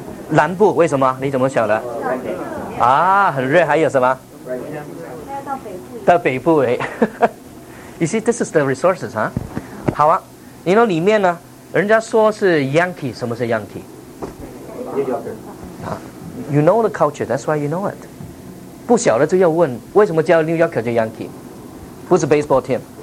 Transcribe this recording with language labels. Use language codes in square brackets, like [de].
[zh] 南部。为什么？你怎么晓得？啊，很热。还有什么？到北部。到北部哎。 [en] You see, this is the resources 啊。 [zh] 好啊，你那里面呢？人家说是 Yankee， 什么是 Yankee？ [en] You know the culture, that's why you know it. [zh] 不晓得就要问，为什么叫 New Yorker 叫 Yankee， 不是 baseball team。